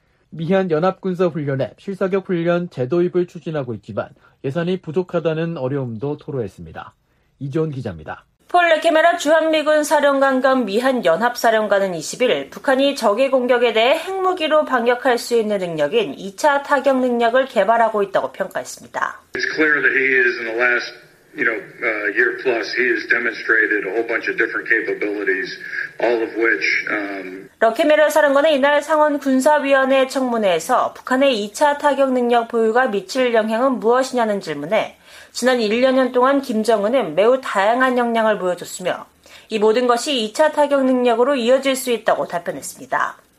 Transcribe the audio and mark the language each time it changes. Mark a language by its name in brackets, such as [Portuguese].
[Korean] 미한 연합군사훈련에 실사격 훈련 재도입을 추진하고 있지만 예산이 부족하다는 어려움도 토로했습니다. 이지원 기자입니다. 폴 레케메라 주한미군 사령관 겸 미한 연합사령관은 20일 북한이 적의 공격에 대해 핵무기로 반격할 수 있는 능력인 2차 타격 능력을 개발하고 있다고 평가했습니다. [English] It's clear that he is in the last, you know, year plus, he has demonstrated a whole bunch of different capabilities, all of which. [Korean] 레케메라 사령관은 이날 상원 군사위원회 청문회에서 북한의 2차 타격 능력 보유가 미칠 영향은 무엇이냐는 질문에 지난 1년 동안 김정은은 매우 다양한 역량을 보여줬으며 이 모든 것이 2차 타격 능력으로 이어질 수 있다고 답변했습니다.